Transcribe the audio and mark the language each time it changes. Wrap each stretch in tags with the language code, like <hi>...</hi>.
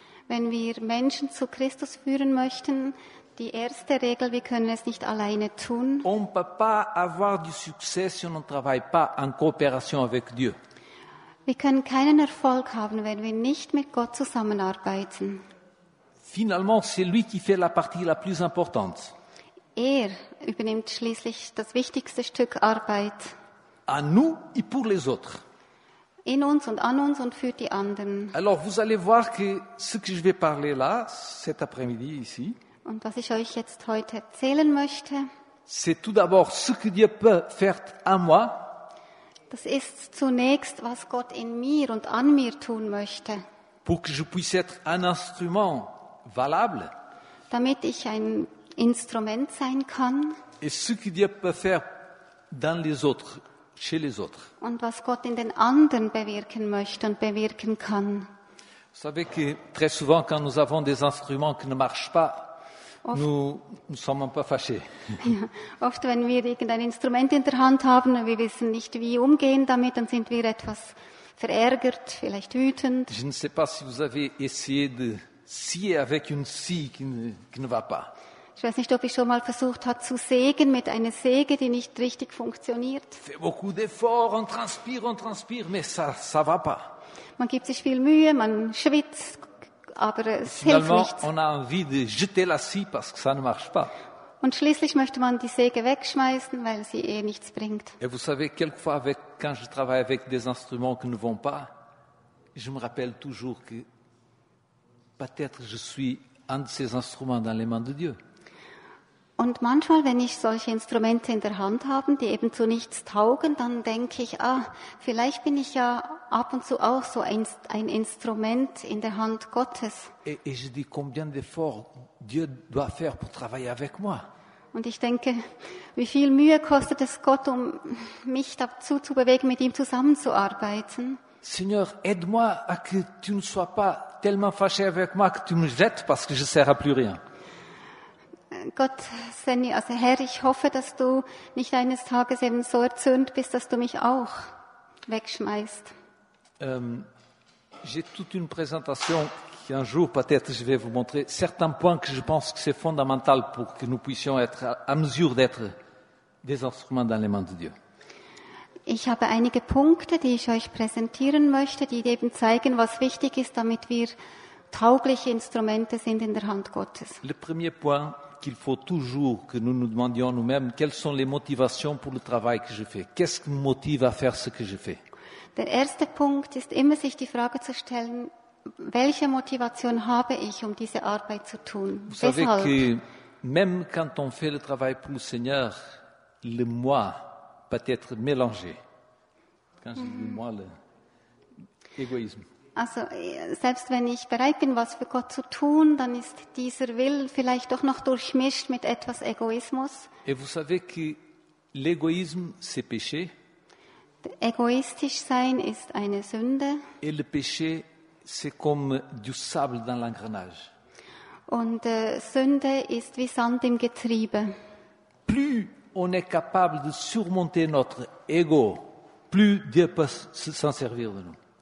<de>Wenn wir Menschen zu Christus führen möchten, die erste Regel, wir können es nicht alleine tun.</de> <fr>On ne peut pas avoir du succès si on ne travaille pas en coopération avec Dieu.</fr> <de>Wir können keinen Erfolg haben, wenn wir nicht mit Gott zusammenarbeiten.</de> <fr>Finalement, c'est lui qui fait la partie la plus importante.</fr> <de>Er übernimmt schließlich das wichtigste Stück Arbeit.</de> <fr>À nous et pour les autres.</fr> <de>in uns und an uns und für die anderen.</de> <fr>Alors vous allez voir que ce que je vais parler là cet après-midi ici.</fr> <de>Und was ich euch jetzt heute erzählen möchte.</de> <fr>C'est tout d'abord ce que Dieu peut faire à moi.</fr> <de>Das ist zunächst, was Gott in mir und an mir tun möchte.</de> <fr>Pour que je puisse être un instrument valable.</fr> <de>Damit ich ein Instrument sein kann.</de> <fr>Et ce que Dieu peut faire dans les autres, chez les autres.</fr> <de>Und was Gott in den anderen bewirken möchte und bewirken kann.</de> <fr>Vous savez que très souvent, quand nous avons des instruments qui ne marchent pas, nous sommes un peu fâchés.</fr> <de>Ja, oft, wenn wir irgendein Instrument in der Hand haben und wir wissen nicht, wie umgehen damit, dann sind wir etwas verärgert, vielleicht wütend.</de> <fr>Je ne sais pas si vous avez essayé de scier avec une scie qui ne va pas.</fr> <de>Ich weiß nicht, ob ich schon mal versucht habe zu sägen mit einer Säge, die nicht richtig funktioniert.</de> <fr>Fait beaucoup d'efforts, on transpire, mais ça va pas.</fr> <de>Man gibt sich viel Mühe, man schwitzt, aber es hilft nicht.</de> <fr>On a envie de jeter la scie parce que ça ne marche pas.</fr> <de>Und schließlich möchte man die Säge wegschmeißen, weil sie eh nichts bringt.</de> <fr>Et vous savez, quelquefois, quand je travaille avec des instruments qui ne vont pas, je me rappelle toujours que peut-être je suis un de ces instruments dans les mains de Dieu.</fr> <de>Und manchmal, wenn ich solche Instrumente in der Hand habe, die eben zu nichts taugen, dann denke ich, vielleicht bin ich ja ab und zu auch so ein Instrument in der Hand Gottes.</de> <fr>Et je dis, combien d'efforts Dieu doit faire pour travailler avec moi.</fr> <de>Und ich denke, wie viel Mühe kostet es Gott, um mich dazu zu bewegen, mit ihm zusammenzuarbeiten?</de> <fr>Seigneur, aide-moi à que tu ne sois pas tellement fâché avec moi que tu me jettes parce que je ne sers à plus rien.</fr> <de>Gott, also Herr, ich hoffe, dass du nicht eines Tages eben so erzürnt bist, dass du mich auch wegschmeißt.</de> <fr>J'ai toute une présentation qui un jour peut-être je vais vous montrer certains points que je pense que c'est fondamental pour que nous puissions être à mesure d'être des instruments dans les mains de Dieu.</fr> <de>Ich habe einige Punkte, die ich euch präsentieren möchte, die eben zeigen, was wichtig ist, damit wir taugliche Instrumente sind in der Hand Gottes.</de> <fr>Le premier point qu'il faut toujours que nous nous demandions nous-mêmes, quelles sont les motivations pour le travail que je fais? Qu'est-ce qui me motive à faire ce que je fais?</fr> <de>Der erste Punkt ist immer, sich die Frage zu stellen, welche Motivation habe ich, um diese Arbeit zu tun?</de> <fr>Vous savez que même quand on fait le travail pour le Seigneur, le moi peut être mélangé. Quand je dis moi, l'égoïsme.</fr> <de>Also, selbst wenn ich bereit bin, was für Gott zu tun, dann ist dieser Will vielleicht doch noch durchmischt mit etwas Egoismus.</de> <fr>Et vous savez que l'égoïsme, c'est péché.</fr> <de>Egoistisch sein ist eine Sünde.</de> <fr>Et le péché, c'est comme du sable dans l'engrenage.</fr> <de>Und Sünde ist wie Sand im Getriebe.</de> <fr>Plus on est capable de surmonter notre ego, plus Dieu peut s'en servir de nous.</fr>